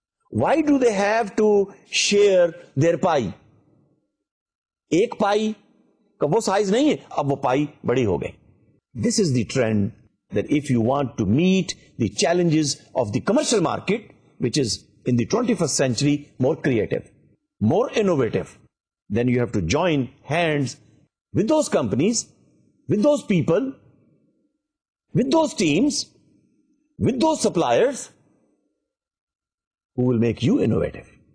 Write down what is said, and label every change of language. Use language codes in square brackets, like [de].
[en] Why do they have to share their pie? [ur] ایک پائی کا وہ سائز نہیں ہے, اب وہ پائی بڑی ہو گئی. [en] This is the trend that if you want to meet the challenges of the commercial market, which is in the 21st century more creative, more innovative, then you have to join hands with those companies, with those people, with those teams, with those suppliers who will make you innovative.